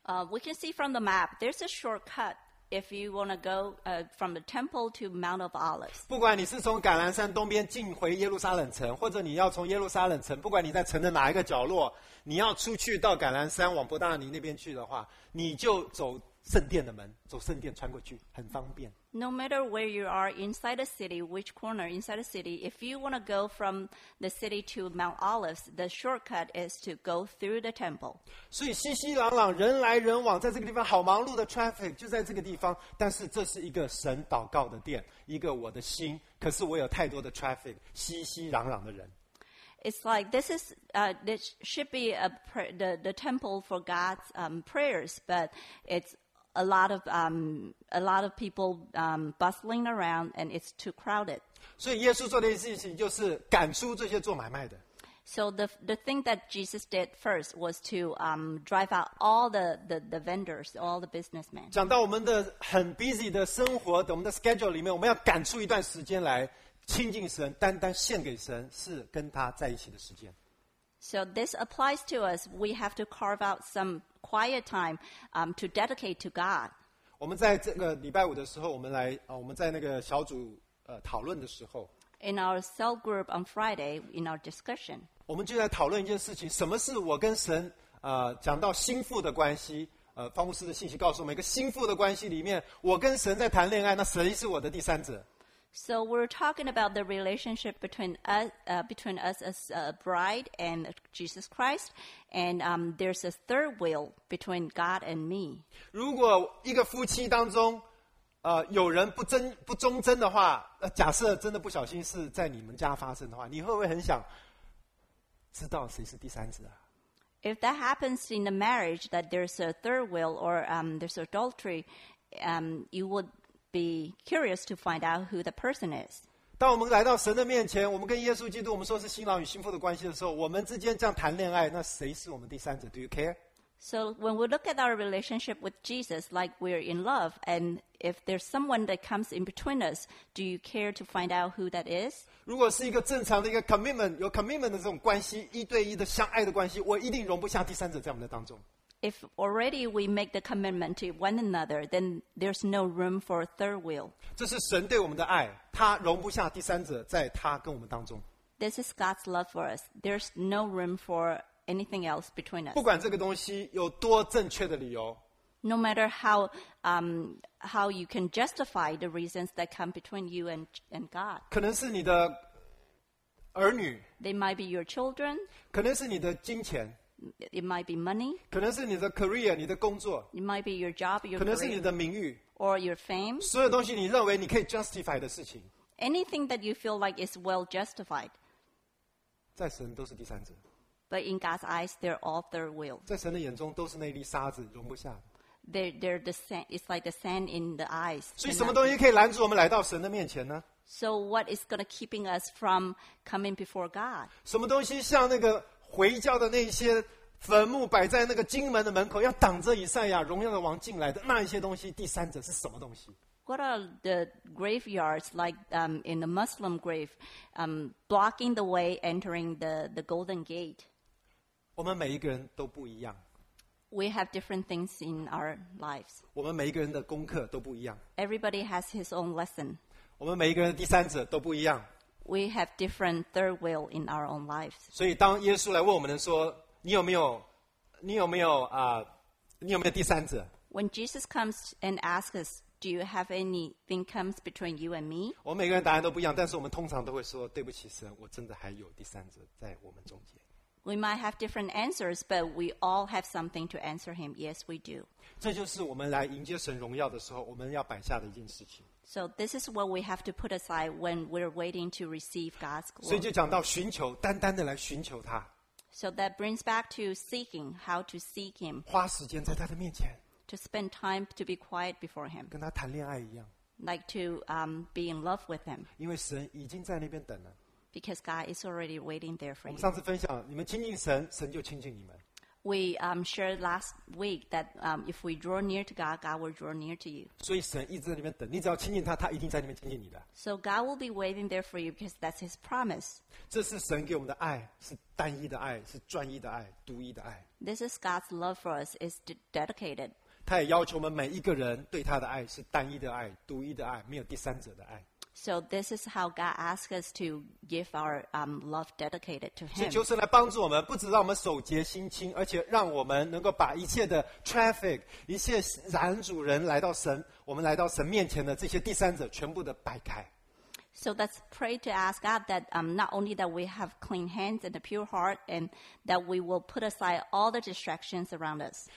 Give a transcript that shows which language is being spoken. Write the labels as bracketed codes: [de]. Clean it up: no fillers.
[en] We can see from the map, there's a shortcut if you want to go from the temple to Mount of Olives. [zh] 不管你是从橄榄山东边进回耶路撒冷城，或者你要从耶路撒冷城，不管你在城的哪一个角落，你要出去到橄榄山往伯大尼那边去的话，你就走圣殿的门，走圣殿穿过去，很方便。 [en] No matter where you are inside the city, which corner inside the city, if you want to go from the city to Mount Olives, the shortcut is to go through the temple. [zh] 所以熙熙攘攘，人来人往，在这个地方好忙碌的 traffic 就在这个地方。但是这是一个神祷告的殿，一个我的心。可是我有太多的 traffic， 熙熙攘攘的人。 [en] It's like this is this should be a the temple for God's prayers, but it's a lot of people bustling around and it's too crowded. [zh] 所以耶稣做的事情就是赶出这些做买卖的。 [en] So the thing that Jesus did first was to drive out all the vendors, all the businessmen. [zh] 讲到我们的很 busy 的生活，我们的 schedule 里面，我们要赶出一段时间来。亲近神，单单献给神，是跟他在一起的时间。 [en] So this applies to us. We have to carve out some quiet time, to dedicate to God. [zh] 我们在这个礼拜五的时候，我们在那个小组讨论的时候 [en] ，in our cell group on Friday, in our discussion, [zh] 我们就在讨论一件事情：什么是我跟神讲到心腹的关系？方牧师的信息告诉我们，一个心腹的关系里面，我跟神在谈恋爱，那谁是我的第三者？ [en] So we're talking about the relationship between us as a bride and Jesus Christ, and there's a third wheel between God and me. [zh] 如果一个夫妻当中，有人不忠贞的话，假设真的不小心是在你们家发生的话，你会不会很想知道谁是第三者啊？ [en] If that happens in the marriage, that there's a third wheel or there's adultery, you would. Be curious to find out who the person is. [zh] 当我们来到神的面前，我们跟耶稣基督，我们说是新郎与新妇的关系的时候，我们之间这样谈恋爱，那谁是我们第三者 ？ [en] Do you care? So when we look at our relationship with Jesus, like we're in love, and if there's someone that comes in between us, do you care to find out who that is? [zh] 如果是一个正常的一个 commitment， 有 commitment 的这种关系，一对一的相爱的关系，我一定容不下第三者在我们的当中。 [en] If already we make the commitment to one another, then there's no room for a third wheel. [zh] 这是神对我们的爱，他容不下第三者在他跟我们当中。 [en] This is God's love for us. There's no room for anything else between us. [zh] 不管这个东西有多正确的理由。 [en] No matter how you can justify the reasons that come between you and God. [zh] 可能是你的儿女。 [en] They might be your children. [zh] 可能是你的金钱。 [en] It might be money. [zh] 可能是你的 career， 你的工作。 [en] It might be your job, your [zh] 可能是你的名誉。 [en] Or your fame. [zh] 所有东西你认为你可以 justify 的事情。 [en] Anything that you feel like is well justified. [zh] 在神都是第三者。 [en] But in God's eyes, they're all third wheel. [zh] 在神的眼中都是那粒沙子，容不下。 [en] They're the sand. It's like the sand in the eyes. [zh] 所以什么东西可以拦住我们来到神的面前呢？ [en] So what is going to keeping us from coming before God? [zh] 什么东西像那个？回教的那些坟墓摆在那个金门的门口，要挡着以赛亚荣耀的王进来的那一些东西，第三者是什么东西 [en] ？What are the graveyards like in the Muslim grave, blocking the way entering the Golden Gate？ [zh] 我们每一个人都不一样。 [en] We have different things in our lives。 [zh] 我们每一个人的功课都不一样。 [en] Everybody has his own lesson。 [zh] 我们每一个人的第三者都不一样。 [en] We have different third wheel in our own lives. [zh] 所以当耶稣来问我们的说，你有没有第三者 [en] ？When Jesus comes and asks us, "Do you have anything comes between you and me?" [zh] 我们每个人答案都不一样，但是我们通常都会说，对不起，神，我真的还有第三者在我们中间。 [en] We might have different answers, but we all have something to answer Him. Yes, we do. [zh] 这就是我们来迎接神荣耀的时候，我们要摆下的一件事情。 [en] So this is what we have to put aside when we're waiting to receive God's glory. [zh] 所以就讲到寻求，单单的来寻求他。 [en] So that brings back to seeking, how to seek Him. [zh] 花时间在他的面前。 [en] To spend time to be quiet before Him. [zh] 跟他谈恋爱一样。 [en] Like to be in love with Him. [zh] 因为神已经在那边等了。 [en] Because God is already waiting there for you. [zh] 我们上次分享，你们亲近神，神就亲近你们。 [en] We shared last week that if we draw near to God, God will draw near to you. [zh] 所以神一直在那边等，你只要亲近他，他一定在那边亲近你的。 [en] So God will be waiting there for you because that's His promise. [zh] 这是神给我们的爱，是单一的爱，是专一的爱，独一的爱。 [en] This is God's love for us. It's dedicated. [zh] 他也要求我们每一个人对他的爱是单一的爱，独一的爱，没有第三者的爱。 [en] So this is how God asks us to give our love dedicated to Him. [zh] 所以求神来帮助我们，不只让我们守节心清，而且让我们能够把一切的 traffic， 一切拦阻人来到神，我们来到神面前的这些第三者，全部的摆开。 [en] So let's pray to ask God that not only that we have clean hands and a pure heart, and that we will put aside all the distractions around us.